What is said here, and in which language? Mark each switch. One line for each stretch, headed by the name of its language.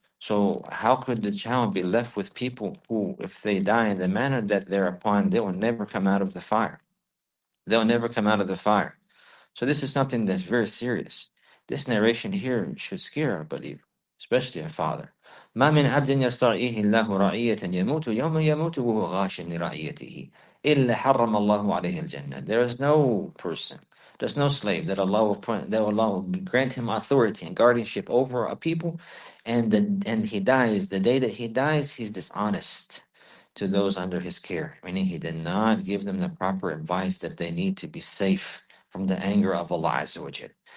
English: So how could the child be left with people who, if they die in the manner that they're upon, they will never come out of the fire? They'll never come out of the fire. So this is something that's very serious. This narration here should scare a believer, especially a father.
Arabic: مَا مِنْ عَبْدٍ يَسْتَرْعِيهِ اللَّهُ رَعِيَّةً يَمُوتُ يَوْمَ يَمُوتُ وَهُوَ غَاشٍ لِرَعِيَّتِهِ إِلَّا حَرَّمَ اللَّهُ عَلَيْهِ الْجَنَّةِ. There is no person,
English: There's no slave that Allah will point, that Allah will grant him authority and guardianship over a people, and he dies. The day that he dies, he's dishonest to those under his care, meaning he did not give them the proper advice that they need to be safe from the anger of Allah Azza wa Jal.